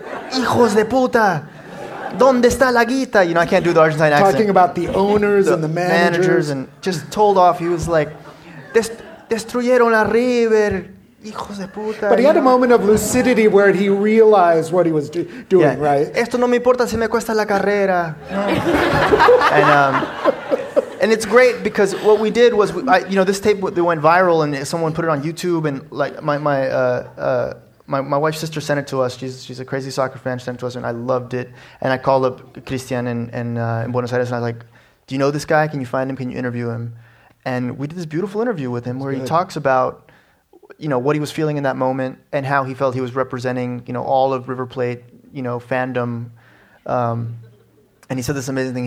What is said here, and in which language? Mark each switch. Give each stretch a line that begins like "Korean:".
Spanish: Hijos de puta, ¿dónde está la guita?
English: You know, I can't do the Argentine accent. Talking about the owners and the managers. And just told off. He was like,
Spanish: destruyeron a River, hijos de puta.
English: But he had a moment of lucidity where he realized what he was doing, right?
Spanish: Esto no me importa si me cuesta la carrera.
English: And it's great because what we did was, this tape that went viral and someone put it on YouTube and like my wife's sister sent it to us. She's a crazy soccer fan. She sent it to us, and I loved it. And I called up Cristian in Buenos Aires, and I was like, do you know this guy? Can you find him? Can you interview him? And we did this beautiful interview with him where he talks about, you know, what he was feeling in that moment and how he felt he was representing, you know, all of River Plate, you know, fandom. And he said this amazing thing.